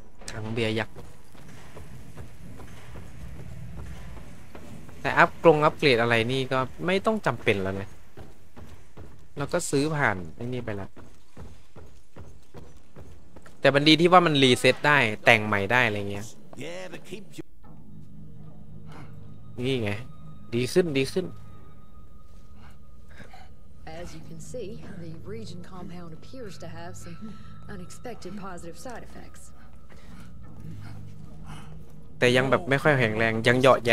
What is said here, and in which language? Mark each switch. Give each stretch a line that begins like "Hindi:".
Thai: ทางเบียร์ยักษ์แต่อัพกรงอัพเกรดอะไรนี่ก็ไม่ต้องจำเป็นแล้วเนี่ยเราก็ซื้อผ่านไอ้นี่ไปแล้วแต่มันดีที่ว่ามันรีเซ็ตได้แต่งใหม่ได้อะไรเงี้ยนี่ไงดีขึ้นดีขึ้น
English: As you can see the region compound appears to have some unexpected positive side effects
Thai: แต่ยังแบบไม่ค่อยแข็งแรงยังเหยาะแย